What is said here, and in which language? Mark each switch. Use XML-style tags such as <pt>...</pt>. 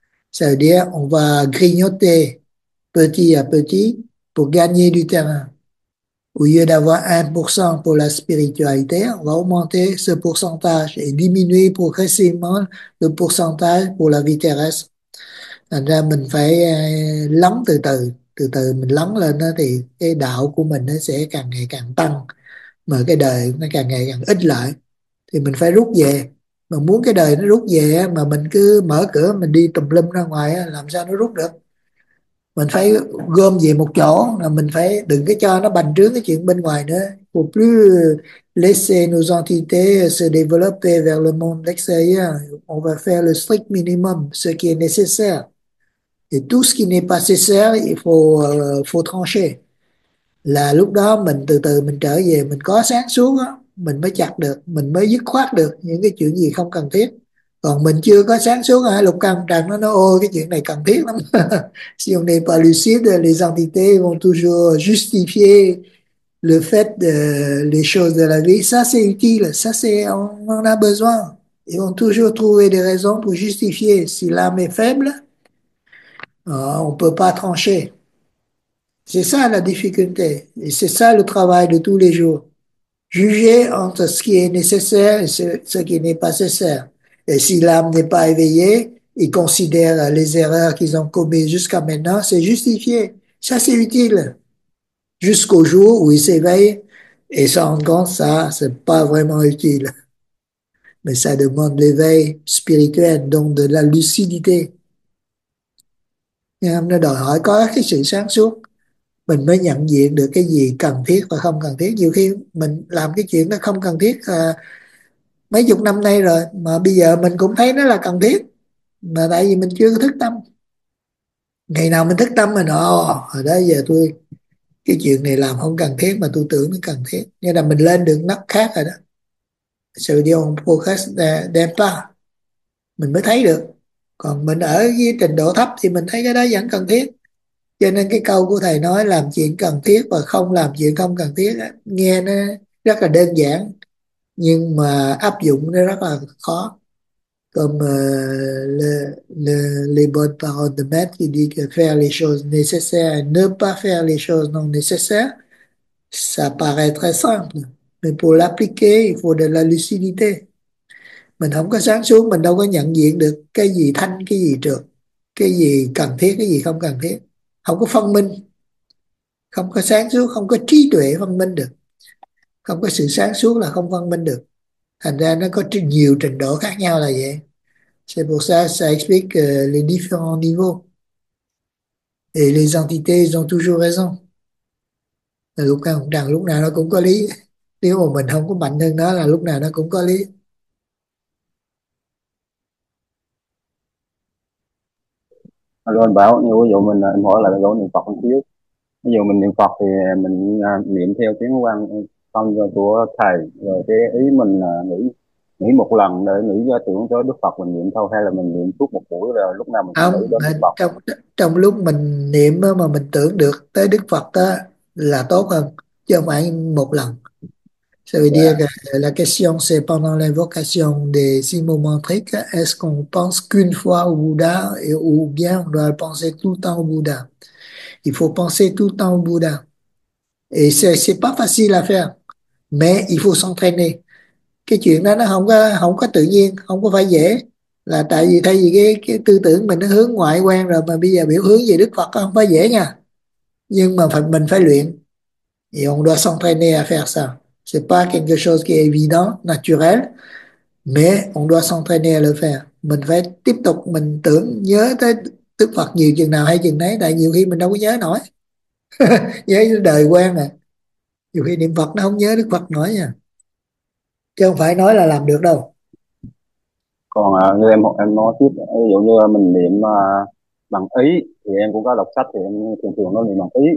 <fr>Ça veut dire, on va grignoter petit à petit pour gagner du terrain. Au lieu d'avoir 1% pour la spiritualité, on va augmenter ce pourcentage et diminuer progressivement le pourcentage pour la vie terrestre.</fr> <vi>Thành ra mình phải lắng từ từ mình lắng lên đó thì cái đạo của mình nó sẽ càng ngày càng tăng, mà cái đời nó càng ngày càng ít lại, thì mình phải rút về. Mà muốn cái đời nó rút về mà mình cứ mở cửa mình đi tùm lum ra ngoài, làm sao nó rút được? Mình phải gom về một chỗ, là mình phải đừng cái cho nó bành trướng cái chuyện bên ngoài nữa.</vi> <fr>Faut plus laisser nos entités se développer vers le monde extérieur. On va faire le strict minimum, ce qui est nécessaire. Et tout ce qui n'est pas nécessaire, il faut faut trancher.</fr> <vi>Là lúc đó mình từ từ mình trở về, mình có sáng suốt á, mình mới chặt được, mình mới dứt khoát được những cái chuyện gì không cần thiết. Còn mình chưa có sáng suốt hả, lục căn trần nó ôi cái chuyện này cần thiết lắm.</vi> <fr>Si on n'est pas lucide, les entités vont toujours justifier le fait de les choses de la vie. Ça, c'est utile. Ça, c'est, on en a besoin. Ils vont toujours trouver des raisons pour justifier. Si l'âme est faible, on ne peut pas trancher. C'est ça la difficulté. Et c'est ça le travail de tous les jours. Juger entre ce qui est nécessaire et ce qui n'est pas nécessaire. Et si l'âme n'est pas éveillée, ils considèrent les erreurs qu'ils ont commises jusqu'à maintenant, c'est justifié. Ça, c'est utile. Jusqu'au jour où ils s'éveillent et se rendent compte, ça, c'est pas vraiment utile. Mais ça demande l'éveil spirituel, donc de la lucidité.</fr> <vi>Nên nó đòi hỏi có cái sự sáng suốt. Mình mới nhận diện được cái gì cần thiết và không cần thiết. Nhiều khi mình làm cái chuyện nó không cần thiết à, mấy chục năm nay rồi mà bây giờ mình cũng thấy nó là cần thiết, mà tại vì mình chưa có thức tâm. Ngày nào mình thức tâm rồi nọ rồi đó, giờ tôi cái chuyện này làm không cần thiết mà tôi tưởng nó cần thiết, nghĩa là mình lên được nấc khác rồi đó. Sự điều podcast đem ta mình mới thấy được, còn mình ở cái trình độ thấp thì mình thấy cái đó vẫn cần thiết. Cho nên cái câu của thầy nói làm chuyện cần thiết và không làm chuyện không cần thiết đó, nghe nó rất là đơn giản nhưng mà áp dụng nó rất là khó.</vi> <fr>Comme les bonnes paroles de maître qui dit que faire les choses nécessaires et ne pas faire les choses non nécessaires, ça paraît très simple, mais pour l'appliquer, il faut de la lucidité.</fr> <vi>Mình không có sáng suốt, mình đâu có nhận diện được cái gì thanh, cái gì trược, cái gì cần thiết, cái gì không cần thiết. Không có phân minh, không có sáng suốt, không có trí tuệ phân minh được. Không có sự sáng suốt là không phân minh được. Thành ra nó có nhiều trình độ khác nhau là vậy.</vi> <fr>C'est pour ça, ça explique les différents niveaux. Et les entités, ils ont toujours raison.</fr> <vi>Lúc nào nó cũng có lý. Nếu mà mình không có mạnh hơn nó là lúc nào nó cũng có lý. Rồi anh bảo, như ví dụ mình em hỏi là chỗ niệm Phật một xíu. Ví dụ mình niệm Phật thì mình niệm theo tiếng quan tâm của thầy, rồi cái ý mình nghĩ nghĩ một lần để nghĩ ra tưởng tới Đức Phật mình niệm thôi, hay là mình niệm suốt một buổi rồi lúc nào mình cũng nghĩ Không, đến Đức Phật? trong trong lúc mình niệm mà mình tưởng được tới Đức Phật đó là tốt hơn, chứ không phải một lần.</vi> <fr>Ça veut dire que la question c'est pendant l'invocation des six moments triques, est-ce qu'on pense qu'une fois au Bouddha et, ou bien on doit penser tout le temps au Bouddha? Il faut penser tout le temps au Bouddha. Et c'est pas facile à faire, mais il faut s'entraîner.</fr> <vi>Cái chuyện đó nó không có tự nhiên, không có phải dễ. Là tại vì thay vì cái tư tưởng mình nó hướng ngoại quan rồi mà bây giờ biểu hướng về Đức Phật không phải dễ nha. Nhưng mà mình phải luyện.</vi> <fr>Et on doit s'entraîner à faire ça. C'est pas quelque chose qui est évident, naturel, mais on doit s'entraîner à le faire.</fr> <vi>Mình phải tiếp tục mình tưởng nhớ tới Đức Phật nhiều chừng nào hay chừng đấy, tại nhiều khi mình đâu có nhớ nổi. Nhớ đời quen nè. Nhiều khi niệm Phật nó không nhớ Đức Phật nổi nha. Chứ không phải nói là làm được đâu. Còn như em nói tiếp, ví dụ như mình niệm bằng ý thì em cũng có đọc sách thì em thường thường nó niệm bằng ý.</vi>